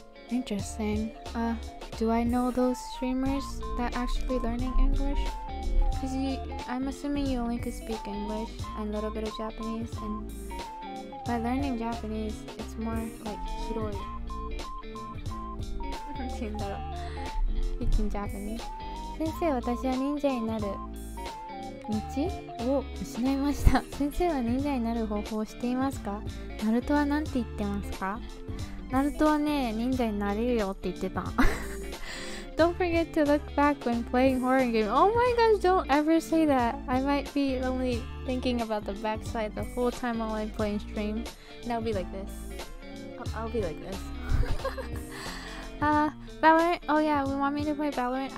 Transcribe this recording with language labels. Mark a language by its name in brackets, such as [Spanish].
[English] Interesting. Do I know those streamers that actually learning English? Because I'm assuming you only could speak English and a little bit of Japanese, and by learning Japanese, it's more like hiroi. Speaking Japanese. [Japanese] 先生、私は忍者になる道を失いました。先生は忍者になる方法を知っていますか？ナルトはなんて言ってますか？ナルトはね、忍者になれるよって言ってた。 [English] Don't forget to look back when playing horror game. Oh my gosh, don't ever say that. I might be only thinking about the backside the whole time while I'm playing stream. And I'll be like this. I'll be like this. Valorant? Oh yeah, we want me to play Valorant?